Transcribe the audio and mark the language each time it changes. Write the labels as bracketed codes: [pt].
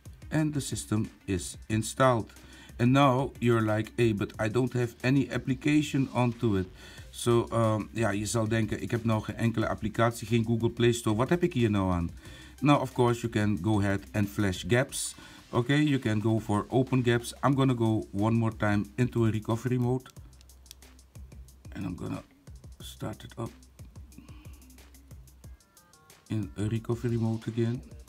[en] And the system is installed. And now you're like, hey, but I don't have any application onto it. So yeah, [nl] je zal denken, ik heb nou geen enkele applicatie, geen Google Play Store. Wat heb ik hier nou aan? [en] Now, of course, you can go ahead and flash gaps. Okay, you can go for open gaps. I'm gonna go one more time into a recovery mode. And I'm gonna start it up in a recovery mode again.